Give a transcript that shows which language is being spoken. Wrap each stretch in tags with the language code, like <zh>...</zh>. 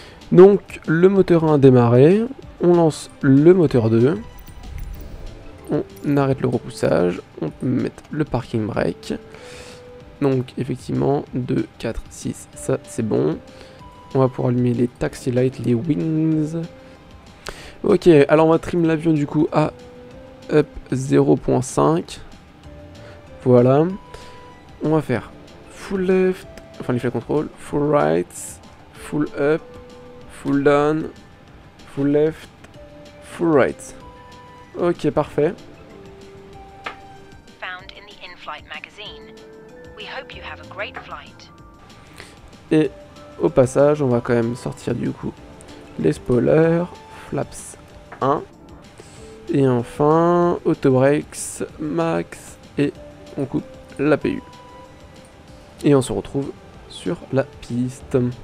<fr>Donc le moteur 1 a démarré, on lance le moteur 2, on arrête le repoussage, on peut mettre le parking brake. Donc effectivement 2, 4, 6, ça c'est bon. On va pouvoir allumer les taxi lights, les wings. Ok, alors on va trim l'avion du coup à up 0.5. Voilà. On va faire full left, enfin left control, full right, full up, full down, full left, full right. Ok, parfait.</fr> <en>Found in the in-flight magazine. We hope you have a great flight.</en> <fr>Et au passage, on va quand même sortir du coup les spoilers, flaps 1. Et enfin, auto brakes, max, et on coupe la PU. Et on se retrouve sur la piste.</fr>